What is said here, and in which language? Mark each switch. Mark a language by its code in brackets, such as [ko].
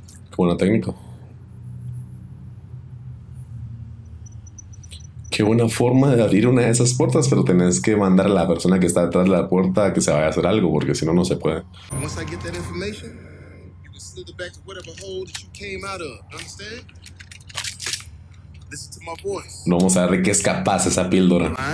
[es] Qué buena técnica. Qué buena forma de abrir una de esas puertas, pero tenés que mandar a la persona que está detrás de la puerta a que se vaya a hacer algo, porque si no, no se puede. [en] Once I get that information, you can slip it back to whatever hole that you came out of. Understand? Listen to my voice. [es] No vamos a ver qué es capaz esa píldora.